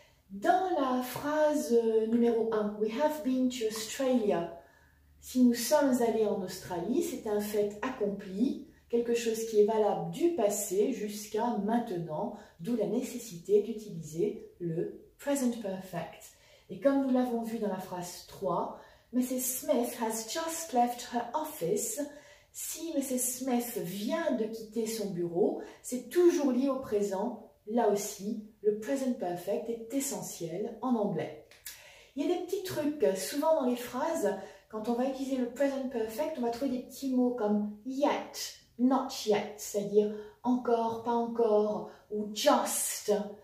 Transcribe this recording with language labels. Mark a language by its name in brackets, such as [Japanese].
[French] Dans la phrase numéro 1, [English] we have been to Australia. [French] Si nous sommes allés en Australie, c'est un fait accompli, quelque chose qui est valable du passé jusqu'à maintenant, d'où la nécessité d'utiliser le present perfect. Et comme nous l'avons vu dans la phrase 3, Mrs. [English] Smith has just left her office. [French] Si Mrs. Smith vient de quitter son bureau, c'est toujours lié au présent. Là aussi, le present perfect est essentiel en anglais. Il y a des petits trucs, souvent dans les phrases, quand on va utiliser le present perfect, on va trouver des petits mots comme yet, not yet, c'est-à-dire encore, pas encore, ou just.